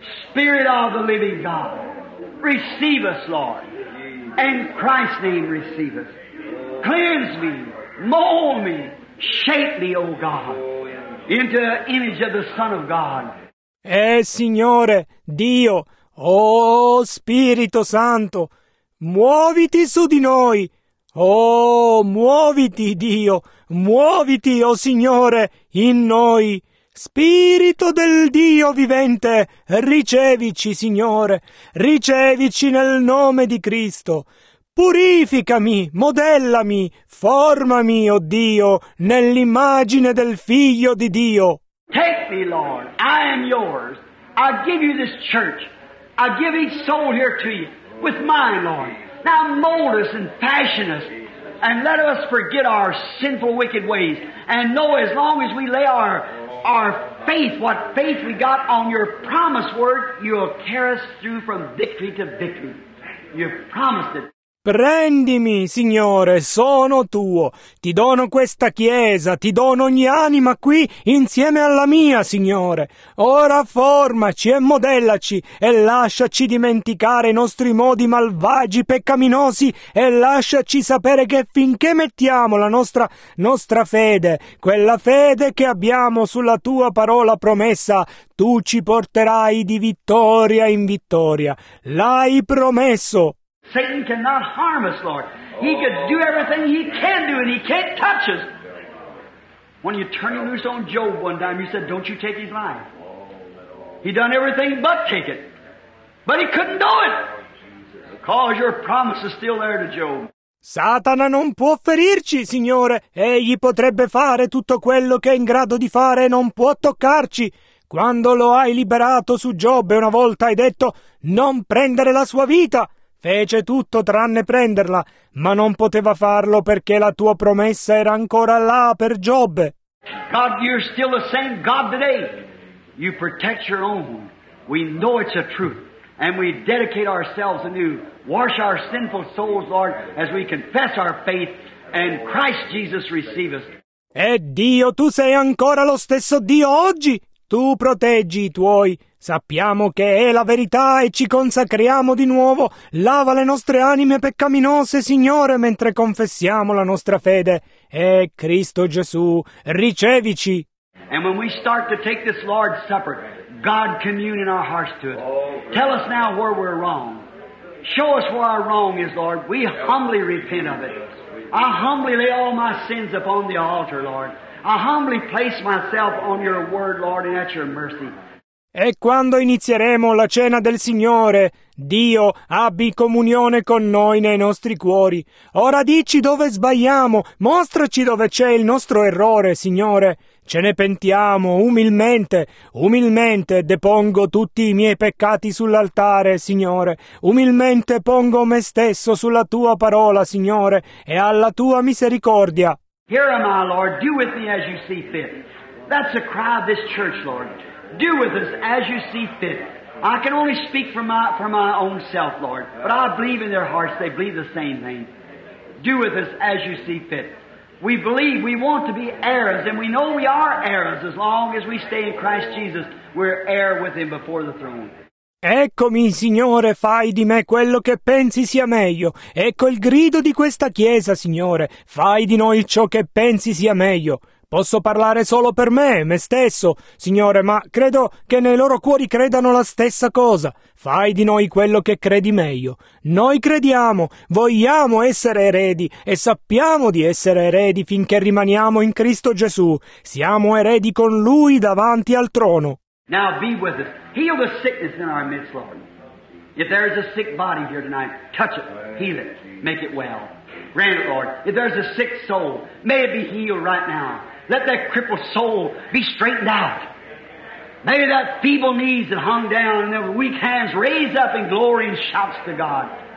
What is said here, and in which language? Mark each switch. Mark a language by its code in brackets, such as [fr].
[en] Spirit of the living God, receive us, Lord. In Christ's name, receive us. Cleanse me, mold me, shape me, O God, into the image of the Son of God. [it] Signore, Dio, oh, Spirito Santo, muoviti su di noi, oh, muoviti, Dio, muoviti, oh Signore, in noi. Spirito del Dio vivente, ricevici, Signore, ricevici nel nome di Cristo. Purificami, modellami, formami, oh Dio, nell'immagine del Figlio di Dio. [en] Take me, Lord, I am yours. I give you this church. I give each soul here to you. With mine, Lord. Now mold us and fashion us and let us forget our sinful, wicked ways and know as long as we lay our faith, what faith we got on your promise word, you'll carry us through from victory to victory. You've promised it. [it] Prendimi, Signore, sono tuo. Ti dono questa chiesa, ti dono ogni anima qui insieme alla mia, Signore. Ora formaci e modellaci e lasciaci dimenticare i nostri modi malvagi, peccaminosi e lasciaci sapere che finché mettiamo la nostra fede, quella fede che abbiamo sulla tua parola promessa, tu ci porterai di vittoria in vittoria. L'hai promesso. [en] Satan cannot harm us, Lord. He could do everything he can do, and he can't touch us. When you turn him loose on Job one time, you said, don't you take his life. He done everything but take it. But he couldn't do it. Because your promise is still there to Job. [it] Satana non può ferirci, Signore. Egli potrebbe fare tutto quello che è in grado di fare e non può toccarci. Quando lo hai liberato su Giobbe una volta hai detto non prendere la sua vita. Fece tutto tranne prenderla, ma non poteva farlo perché la tua promessa era ancora là per Giobbe. [en] God, you're still the same God today. You protect your own. We know it's a truth. And we dedicate ourselves anew. Wash our sinful souls, Lord, as we confess our faith and Christ Jesus receive us. [it] E Dio, tu sei ancora lo stesso Dio oggi. Tu proteggi i tuoi. Sappiamo che è la verità e ci consacriamo di nuovo. Lava le nostre anime peccaminose, Signore, mentre confessiamo la nostra fede. E Cristo Gesù, ricevici. [en] And when we start to take this Lord's Supper, God commune in our hearts to it. Tell us now where we're wrong. Show us where our wrong is, Lord. We humbly repent of it. I humbly lay all my sins upon the altar, Lord. I humbly place myself on your word, Lord, and at your mercy. [it] E quando inizieremo la cena del Signore, Dio, abbi comunione con noi nei nostri cuori. Ora dici dove sbagliamo, mostraci dove c'è il nostro errore, Signore. Ce ne pentiamo umilmente, umilmente depongo tutti i miei peccati sull'altare, Signore. Umilmente pongo me stesso sulla Tua parola, Signore, e alla Tua misericordia. [en] Here am I, Lord, do with me as you see fit. That's the cry of this church, Lord. Do with us as you see fit. I can only speak for my own self, Lord. But I believe in their hearts, they believe the same thing. Do with us as you see fit. We believe, we want to be heirs, and we know we are heirs. As long as we stay in Christ Jesus, we're heir with Him before the throne. [it] Eccomi, Signore, fai di me quello che pensi sia meglio. Ecco il grido di questa Chiesa, Signore. Fai di noi ciò che pensi sia meglio. Posso parlare solo per me stesso, Signore, ma credo che nei loro cuori credano la stessa cosa. Fai di noi quello che credi meglio. Noi crediamo, vogliamo essere eredi e sappiamo di essere eredi finché rimaniamo in Cristo Gesù. Siamo eredi con Lui davanti al trono. [en] Now be with us. Heal the sickness in our midst, Lord. If there is a sick body here tonight, touch it, heal it, make it well. Grant it, Lord. If there's a sick soul, may it be healed right now. Let that crippled soul be straightened out. May that feeble knees that hung down and the weak hands raise up in glory and shouts to God.